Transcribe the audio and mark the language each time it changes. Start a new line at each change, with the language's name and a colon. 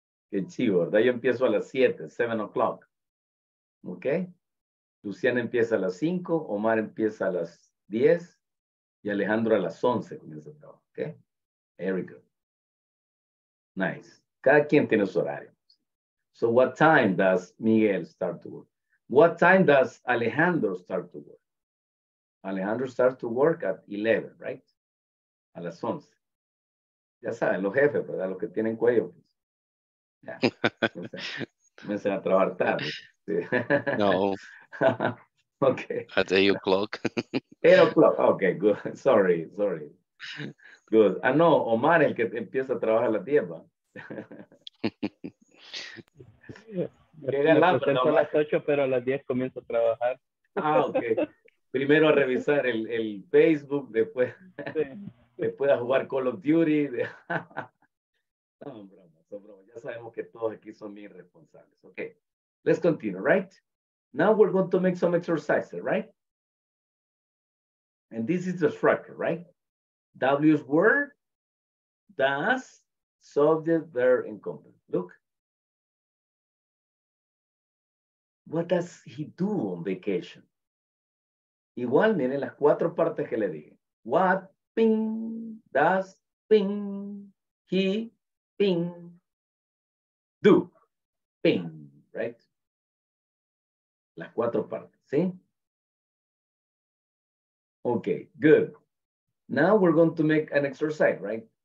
Spanish: Qué chivo, ¿verdad? Yo empiezo a las 7,
English: 7 o'clock. Okay?
Spanish: Luciana empieza a las 5, Omar empieza a las 10 y Alejandro a las 11 comienza el trabajo.
English: Okay? Very good. Nice.
Spanish: Cada quien tiene su horario.
English: So what time does Miguel start to work? What time does Alejandro start to work? Alejandro starts to work at 11, right?
Spanish: A las 11. Ya saben, los jefes, ¿verdad? Los que tienen cuello. Pues. Ya. Comienzan a trabajar tarde. Sí. No.
English: Okay. At 8 o'clock. 8 o'clock. Okay, good. Sorry. Good.
Spanish: Ah, no, Omar, el que empieza a trabajar a las 10, ¿va? Qué galán, ¿no? A las 8, pero a las 10 comienzo a trabajar. Ah, okay. Primero a revisar el Facebook, después, sí. Después a jugar Call of Duty. No, broma. Ya sabemos que todos aquí son bien responsables.
English: Okay. Let's continue, right? Now we're going to make some exercises, right? And this is the structure, right? W's word, does, subject, verb, and complement. Look. What does he do on vacation?
Spanish: Igual, miren las cuatro partes que le dije.
English: What, ping, does, ping, he, ping, do, ping, right?
Spanish: Las cuatro partes, ¿sí?
English: Okay, good. Now we're going to make an exercise, right?